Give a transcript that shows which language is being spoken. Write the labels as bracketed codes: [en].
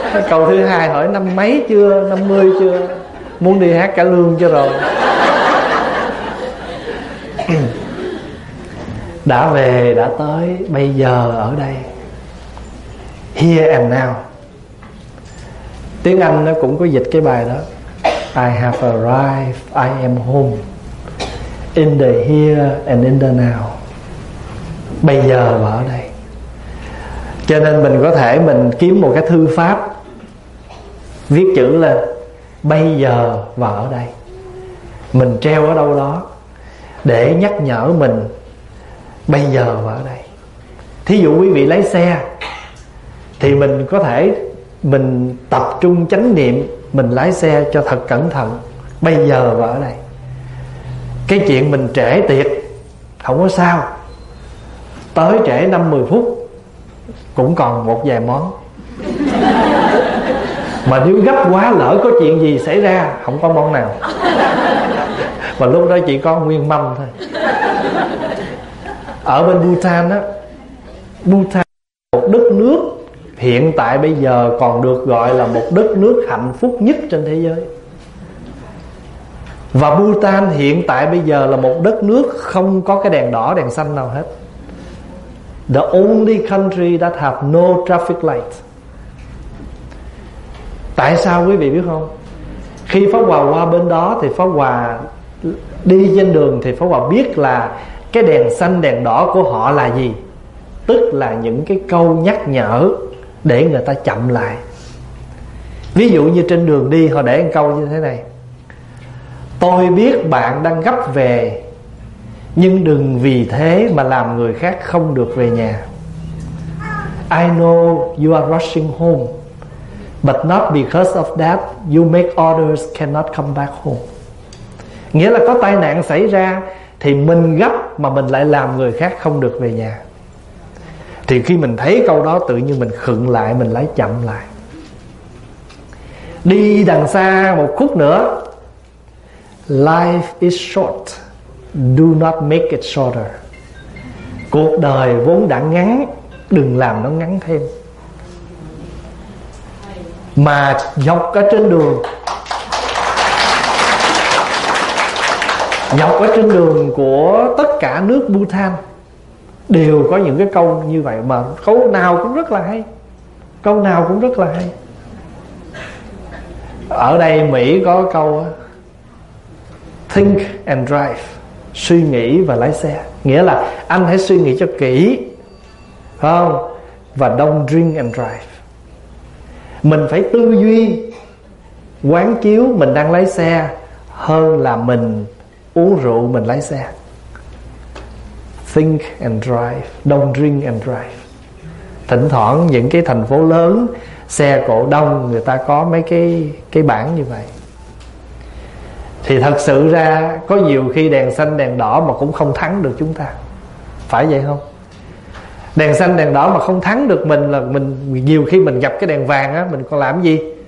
[vi] Câu thứ hai hỏi năm mấy chưa, 50 chưa, muốn đi hát cả lương cho rồi. Đã về, đã tới, bây giờ ở đây. [en] Here and now. [vi] Tiếng Anh nó cũng có dịch cái bài đó. [en] I have arrived, I am home. In the here and in the now. [vi] Bây giờ và ở đây. Cho nên mình có thể mình kiếm một cái thư pháp, viết chữ lên bây giờ và ở đây. Mình treo ở đâu đó để nhắc nhở mình bây giờ và ở đây. Thí dụ quý vị lái xe thì mình có thể mình tập trung chánh niệm, mình lái xe cho thật cẩn thận, bây giờ và ở đây. Cái chuyện mình trễ tiệc không có sao, tới trễ 5-10 phút cũng còn một vài món. Mà nếu gấp quá lỡ có chuyện gì xảy ra, không có món nào. Mà lúc đó chỉ có nguyên mâm thôi. Ở bên Bhutan á, Bhutan là một đất nước hiện tại bây giờ còn được gọi là một đất nước hạnh phúc nhất trên thế giới. Và Bhutan hiện tại bây giờ là một đất nước không có cái đèn đỏ đèn xanh nào hết. [en] The only country that have no traffic light. [vi] Tại sao quý vị biết không? Khi Pháp Hòa qua bên đó thì Pháp Hòa đi trên đường thì Pháp Hòa biết là cái đèn xanh đèn đỏ của họ là gì. Tức là những cái câu nhắc nhở để người ta chậm lại. Ví dụ như trên đường đi họ để một câu như thế này: tôi biết bạn đang gấp về, nhưng đừng vì thế mà làm người khác không được về nhà. [en] I know you are rushing home, but not because of that you make others cannot come back home. [vi] Nghĩa là có tai nạn xảy ra thì mình gấp mà mình lại làm người khác không được về nhà. Thì khi mình thấy câu đó tự nhiên mình khựng lại, mình lái chậm lại. Đi đằng xa một khúc nữa. [en] Life is short, do not make it shorter. [vi] Cuộc đời vốn đã ngắn, đừng làm nó ngắn thêm. Mà dọc ở trên đường, dọc ở trên đường của tất cả nước Bhutan đều có những cái câu như vậy, mà câu nào cũng rất là hay. Câu nào cũng rất là hay. Ở đây Mỹ có câu [en] think and drive, [vi] suy nghĩ và lái xe. Nghĩa là anh hãy suy nghĩ cho kỹ, không? Và [en] don't drink and drive. [vi] Mình phải tư duy, quán chiếu mình đang lái xe hơn là mình uống rượu mình lái xe. [en] Think and drive, don't drink and drive. [vi] Thỉnh thoảng những cái thành phố lớn xe cộ đông, người ta có mấy cái bảng như vậy. Thì thật sự ra có nhiều khi đèn xanh đèn đỏ mà cũng không thắng được chúng ta, phải vậy không? Đèn xanh đèn đỏ mà không thắng được mình là mình, nhiều khi mình gặp cái đèn vàng á, mình còn làm gì?